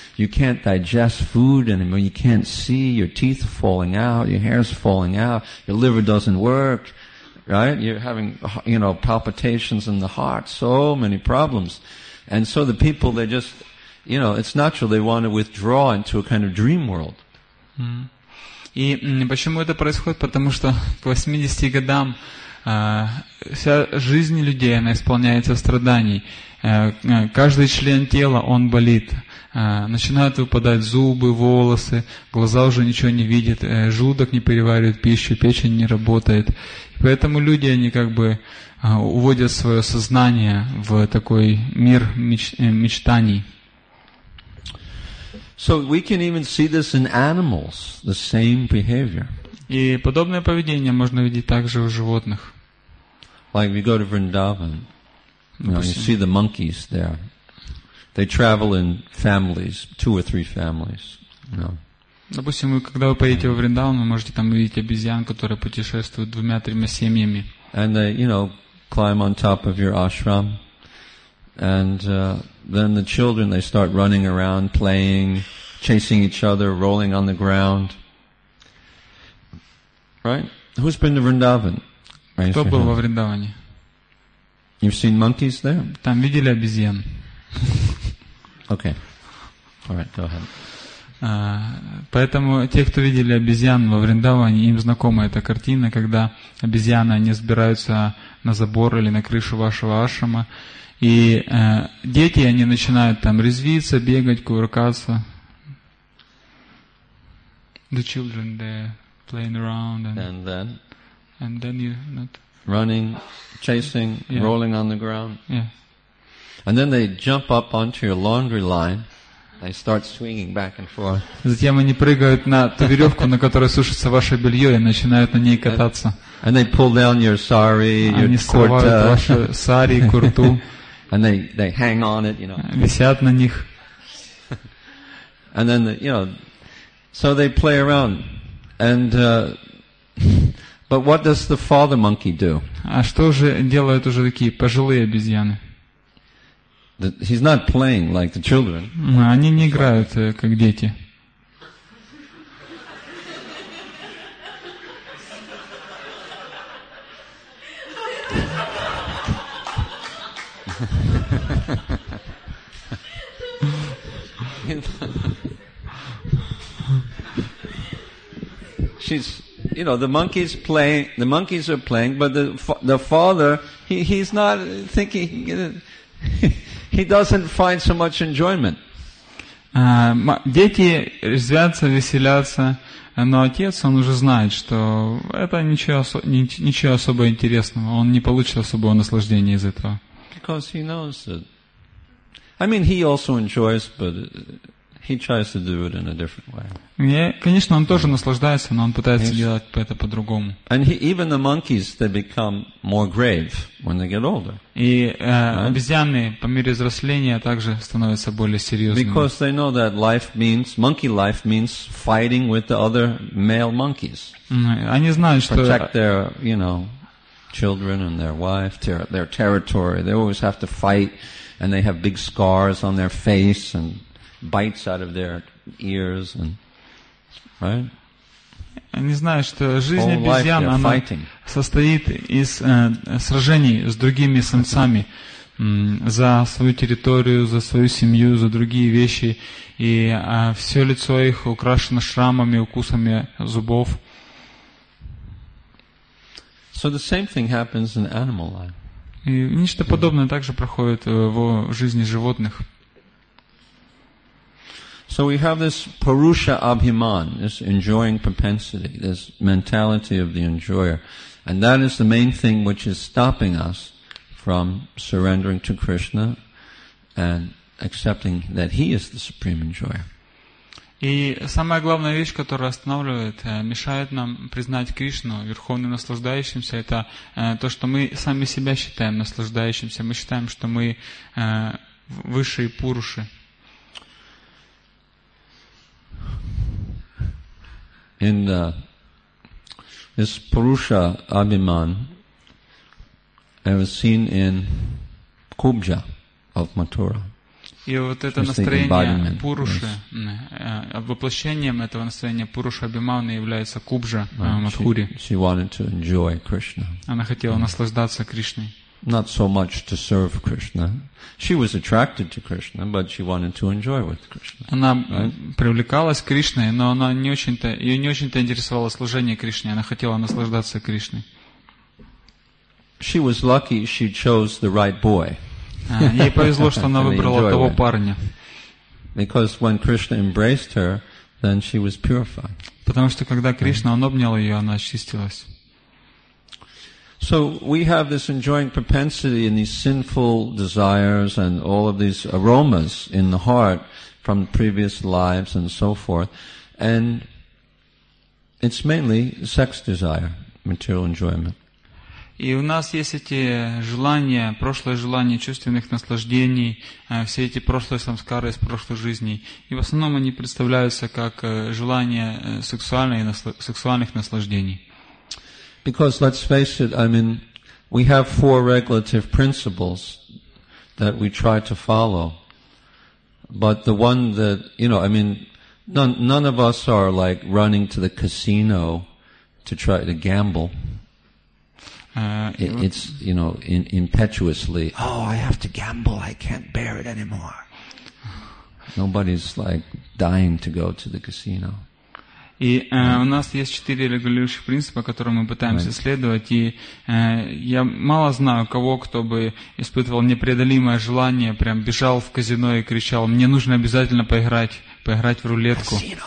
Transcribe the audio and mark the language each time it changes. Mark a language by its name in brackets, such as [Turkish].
[English] You can't digest food anymore. You can't see. Your teeth are falling out. Your hair is falling out. Your liver doesn't work. right? You're having, you know, palpitations in the heart, so many problems. And so the people, they just, you know, it's natural, they want to withdraw into a kind of dream world. Mm. [Russian] И почему это происходит? Потому что к 80 годам вся жизнь людей, она исполняется страданий. Каждый член тела, он болит. Начинают выпадать зубы, волосы, глаза уже ничего не видят, желудок не переваривает пищу, печень не работает. Поэтому люди, они как бы уводят свое сознание в такой мир мечтаний. [English] So we can even see this in animals, the same behavior. [Russian] И подобное поведение можно видеть также у животных. [English] Like we go to Vrindavan, you know, you see the monkeys there. They travel in families, two or three families. No. [Russian] Допустим, вы когда вы поедете во Вриндаван, вы можете там увидеть обезьян, которые путешествуют двумя-тремя семьями. [English] And they, you know, climb on top of your ashram. And then the children, they start running around, playing, chasing each other, rolling on the ground. Right? Who's been to Vrindavan? Right? [Russian] Кто был во Вриндаване? [English] You've seen monkeys there? [Russian] Там видели обезьян. [English] Okay. All right, go ahead. [Russian] Поэтому те, кто видели обезьян во Вриндаване, им знакома эта картина, когда обезьяны, они сбираются на забор или на крышу вашего ашрама. И дети, они начинают там резвиться, бегать, кувыркаться. [English] The children, they're playing around. And then you not running, chasing, yeah. Rolling on the ground. Yeah. And then they jump up onto your laundry line. They start swinging back and forth. [Russian] Затем они прыгают на ту веревку, на которой сушится ваше белье, и начинают на ней кататься. [English] And they pull down your sari, your [Russian] курта. Они срывают ваше сари, курту. [English] And they hang on it, you know. [Russian] Висят на них. [English] And then, you know, so they play around. And but what does the father monkey do? [Russian] А что же делают уже такие пожилые обезьяны? [English] He's not playing like the children. Они не играют как дети. She's, you know, the monkeys play. The monkeys are playing, but the father, he's not thinking. He doesn't find so much enjoyment. [Russian] Дети резвятся, веселятся, но отец, он уже знает, что это ничего особо интересного. Он не получит особого наслаждения из этого. [English] Because he knows that. I mean, he also enjoys, but he tries to do it in a different way. [Russian] Конечно, он тоже наслаждается, но он пытается делать это по-другому. [English] And even the monkeys, they become more grave when they get older. [Russian] И обезьяны по мере взросления также становятся более серьезными. [English] Because they know that life means monkey life means fighting with the other male monkeys. [Russian] Они знают, что [English] protect their, you know, children and their wife, their territory. They always have to fight. And they have big scars on their face and bites out of their ears and right. [Russian] Они знают, что жизнь обезьян она состоит из сражений с другими самцами за свою территорию, за свою семью, за другие вещи, и все лицо их украшено шрамами, укусами зубов. [English] So the same thing happens in animal life. [Russian] И нечто подобное также проходит в жизни животных. [English] So we have this Purusha Abhiman, this enjoying propensity, this mentality of the enjoyer. And that is the main thing which is stopping us from surrendering to Krishna and accepting that He is the supreme enjoyer. [Russian] И самая главная вещь, которая останавливает, мешает нам признать Кришну верховным наслаждающимся, это то, что мы сами себя считаем наслаждающимся. Мы считаем, что мы высшие пуруши. [English] In the, this Purusha Abhiman, I was seen in Kubja of Mathura. [Russian] И вот это настроение Пуруши, воплощением этого настроения Пуруша Абимауны является Кубжа Мадхури. [English] She wanted to enjoy Krishna. [Russian] Она хотела наслаждаться Кришной. [English] Not so much to serve Krishna. She was attracted to Krishna, but she wanted to enjoy with Krishna. [Russian] Она привлекалась к Кришне, но она не очень-то, ее не очень-то интересовало служение Кришне, она хотела наслаждаться Кришной. [English] She was lucky she chose the right boy. [Russian] Ей повезло, что она выбрала того парня. [English] Because when Krishna embraced her, then she was purified. [Russian] Потому что когда Кришна он обнял ее, она очистилась. [English] So we have this enjoying propensity and these sinful desires and all of these aromas in the heart from previous lives and so forth. And it's mainly sex desire, material enjoyment. [Russian] И у нас есть эти желания, прошлое желание чувственных наслаждений, все эти прошлые самскары из прошлой жизни. И в основном они представляются как желания сексуальных наслаждений. [English] Because let's face it, I mean, we have four regulative principles that we try to follow. But the one that, you know, I mean, none of us are like running to the casino to try to gamble. It's, you know, impetuously, oh, I have to gamble, I can't bear it anymore. Nobody's like dying to go to the casino. [Russian] И у нас есть четыре регулирующих принципа, которые мы пытаемся следовать, и я мало знаю кого, кто бы испытывал непреодолимое желание, прям бежал в казино и кричал, мне нужно обязательно поиграть в рулетку.